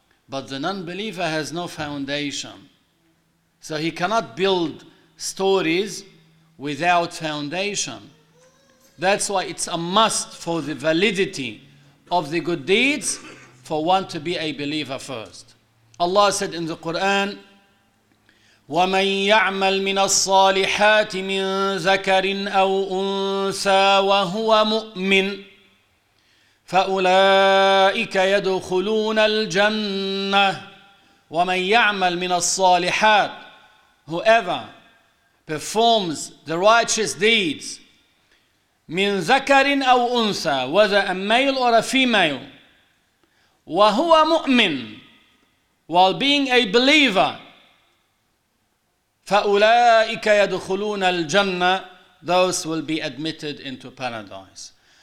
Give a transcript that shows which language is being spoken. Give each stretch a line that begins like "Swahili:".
English: But the non-believer has no foundation. So he cannot build stories without foundation. That's why it's a must for the validity of the good deeds for one to be a believer first. Allah said in the Quran,
Arabic: وَمَنْ يَعْمَلْ مِنَ الصَّالِحَاتِ مِنْ ذَكَرٍ أَوْ أُنْثَى وَهُوَ مُؤْمِنٌ فَأُولَٰئِكَ يَدْخُلُونَ الْجَنَّةِ وَمَنْ يَعْمَلْ مِنَ الصَّالِحَاتِ.
English: Whoever performs the righteous deeds,
Arabic: مِنْ ذَكَرٍ أَوْ أُنْثَى,
English: whether a male or a female,
Arabic: وَهُوَ مُؤْمِنٌ,
English: while being a believer,
Arabic: فَأُولَٰئِكَ يَدْخُلُونَ الْجَنَّةِ,
English: those will be admitted into paradise.